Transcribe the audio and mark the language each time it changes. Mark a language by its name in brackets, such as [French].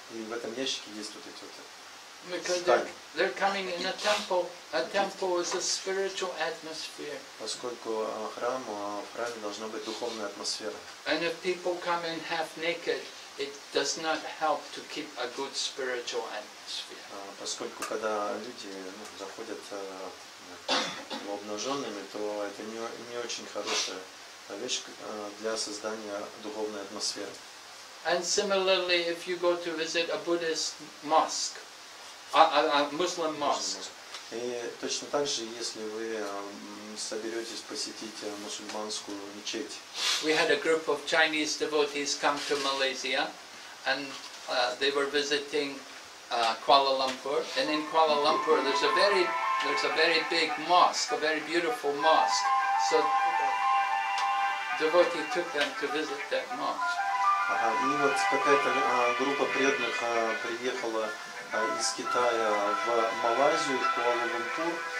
[Russian] И в этом ящике есть вот эти вот ткани. [English] They're coming in a temple. A temple is a spiritual atmosphere. [Russian] Поскольку храм, в храме должна быть духовная атмосфера. [English] And if people come in half naked, it does not help to keep a good spiritual atmosphere. [Russian] Поскольку когда люди, ну, заходят обнаженными, то это не очень хорошая вещь для создания духовной атмосферы. [English] And similarly, if you go to visit a Buddhist mosque. A Muslim mosque. [Russian] И точно так же, если вы соберетесь посетить мусульманскую мечеть. [English] We had a group of Chinese devotees come to Malaysia, and they were visiting Kuala Lumpur. And in Kuala Lumpur, there's a very there's a very big mosque, a very beautiful mosque. So devotee took them to visit that mosque. [Russian] И вот какая-то группа преданных приехала из Китая в Малайзию, в Куала-Лумпур.